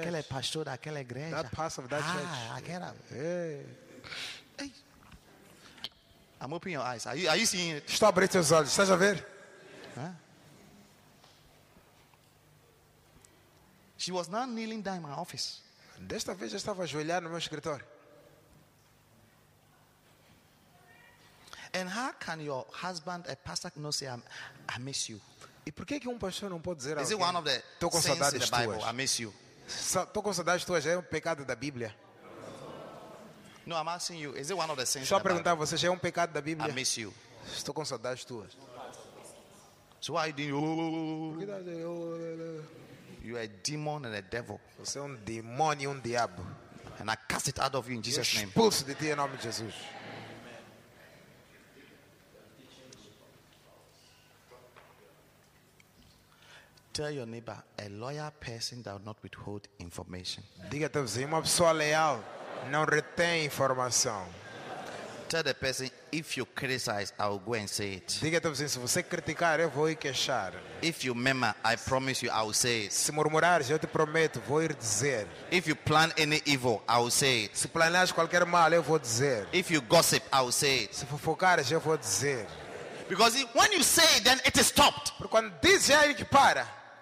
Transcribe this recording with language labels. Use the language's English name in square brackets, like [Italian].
[Portuguese] Aquele pastor daquela igreja. [English] That pastor of that church. [Portuguese] Aquela. [English] Hey. I'm opening your eyes. Are you seeing it? [Portuguese] Estou abrindo teus olhos. Estás a ver? [English] She was not kneeling down in my office. [Portuguese] Desta vez já estava ajoelhada no meu escritório. [English] And how can your husband, a pastor, not say, I miss you? [Portuguese] E por que que pastor não pode dizer [English] is it one of the sins in the Bible, I miss you? [Portuguese] Tô com saudades tuas, é pecado da Bíblia. [English] No, I'm asking you, is it one of the sins in the [Portuguese] Bible? Só perguntar a você, é pecado da Bíblia? [English] I miss you. [Portuguese] Estou com saudades tuas. [English] So why do you are a demon and a devil. [Portuguese] Você é demônio e diabo. [English] And I cast it out of you in Jesus' name. [Portuguese] Expulso de ti em nome de Jesus. [English] Tell your neighbor, a loyal person does not withhold information. [Portuguese] Diga a teu vizinho, uma pessoa leal não retém informação. [English] Tell the person, if you criticize, I will go and say it. [Portuguese] Diga a teu vizinho, se você criticar, eu vou ir queixar. [English] If you murmur, I promise you, I will say it. [Portuguese] Se murmurares, eu te prometo, vou ir dizer. [English] If you plan any evil, I will say it. [Portuguese] Se planejas qualquer mal, eu vou dizer. [English] If you gossip, I will say it. [Portuguese] Se fofocares, eu vou dizer. [English] Because when you say it, then it is stopped. [Portuguese] Porque quando diz é aí que para.